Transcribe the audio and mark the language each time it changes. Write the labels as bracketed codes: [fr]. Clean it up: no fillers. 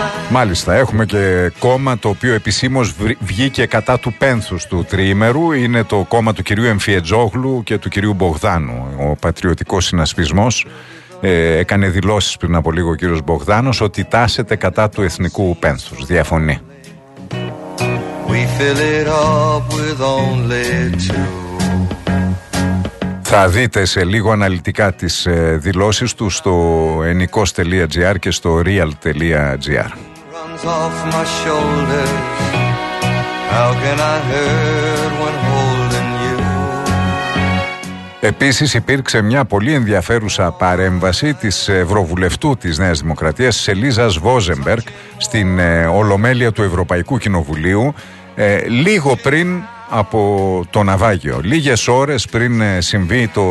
[el] Μάλιστα, έχουμε και κόμμα το οποίο επισήμως βγήκε κατά του πένθους του τριήμερου. Είναι το κόμμα του κυρίου Εμφιετζόγλου και του κυρίου Μπογδάνου. Ο Πατριωτικός Συνασπισμός έκανε δηλώσεις πριν από λίγο ο κύριος Μπογδάνος ότι τάσεται κατά του εθνικού πένθους. Διαφωνεί. [en] We fill it up with only two. [el] Θα δείτε σε λίγο αναλυτικά τις δηλώσεις του στο enikos.gr και στο real.gr. [en] Runs off my shoulders. How can I hurt when holding you? [el] Επίσης υπήρξε μια πολύ ενδιαφέρουσα παρέμβαση της Ευρωβουλευτού της Νέας Δημοκρατίας, Σελίζας Βόζεμπεργκ, στην Ολομέλεια του Ευρωπαϊκού Κοινοβουλίου, λίγο πριν από το ναυάγιο, λίγες ώρες πριν συμβεί